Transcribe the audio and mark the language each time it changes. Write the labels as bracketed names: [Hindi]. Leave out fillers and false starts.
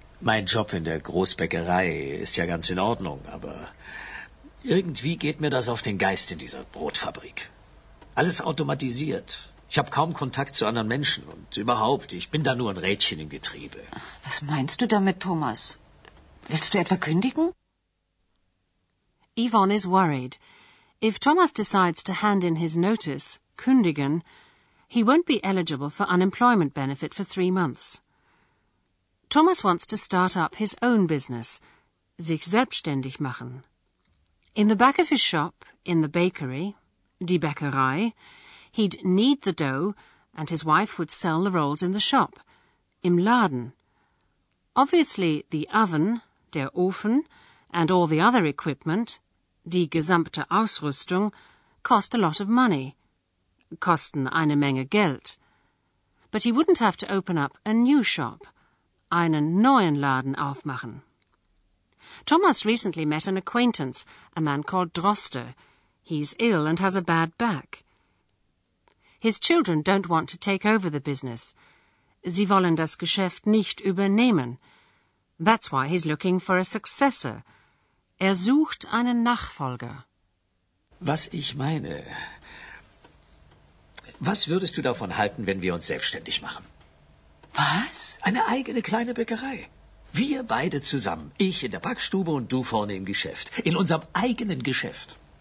[German] Mein Job in der Großbäckerei ist ja ganz in Ordnung, aber irgendwie geht mir das auf den Geist in dieser Brotfabrik. Alles automatisiert. Ich habe kaum Kontakt zu anderen Menschen und überhaupt, ich bin da nur ein Rädchen im Getriebe. Was meinst du damit, Thomas? Willst du etwa kündigen? [English] Yvonne is worried. If Thomas decides to hand in his notice, kündigen, he won't be eligible for unemployment benefit for 3 months. Thomas wants to start up his own business, [German] sich selbstständig machen. [English] In the back of his shop, in the bakery, [German] die Bäckerei, [English] he'd knead the dough and his wife would sell the rolls in the shop, [German] im Laden. [English] Obviously, the oven, [German] der Ofen, [English] and all the other equipment, [German] die gesamte Ausrüstung, [English] cost a lot of money, [German] kosten eine Menge Geld. [English] But he wouldn't have to open up a new shop, [German] einen neuen Laden aufmachen. [English] Thomas recently met an acquaintance, a man called Droste. He's ill and has a bad back. His children don't want to take over the business. [German] Sie wollen das Geschäft nicht übernehmen. [English] That's why he's looking for a successor. [German] Sucht einen Nachfolger. Was ich meine, was würdest du davon halten, wenn wir uns selbstständig machen? Was? Eine eigene kleine Bäckerei. Wir beide zusammen. Ich in der Backstube und du vorne im Geschäft. In unserem eigenen Geschäft.